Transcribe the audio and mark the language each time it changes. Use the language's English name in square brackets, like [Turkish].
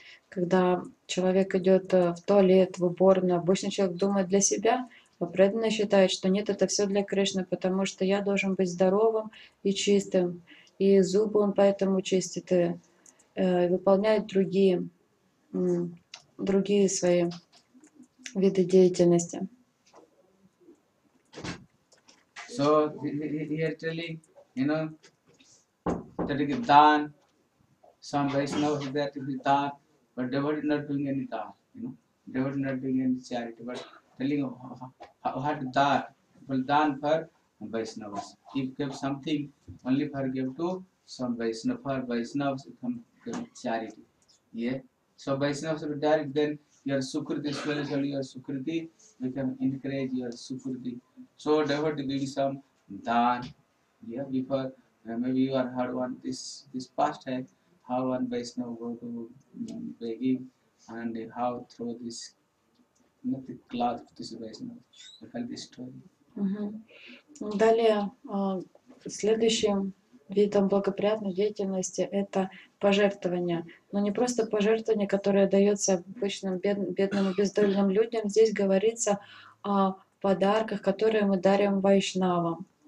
[Russian] Когда человек идет в туалет, в уборную, обычно человек думает для себя, а преданно считает, что нет, это все для Кришны, потому что я должен быть здоровым и чистым. И зубы он поэтому чистит, и выполняет другие свои виды деятельности. [English] So, here telling, you know, that is dan, some Vaishnava is there to be dan, but devotee not doing any dan, you know, devotee not doing any charity, but telling what dan, Faldan for Vaishnavas. He gave something only for give to some Vaishnavas, for Vaishnavas, charity. Yeah. So Vaishnavas are direct, then your Sukriti, especially your Sukriti, we can encourage your Sukriti. So devotee give some Dan. Yeah, before maybe you are heard one this past time, how one Vaishnava go to begging and how through this nothing cloth this Vaishnava. You tell this story. Угу. [Russian] Далее, следующим видом благоприятной деятельности – это пожертвование. Но не просто пожертвование, которое дается обычным бедным и бездольным людям. Здесь говорится о подарках, которые мы дарим вайшнавам.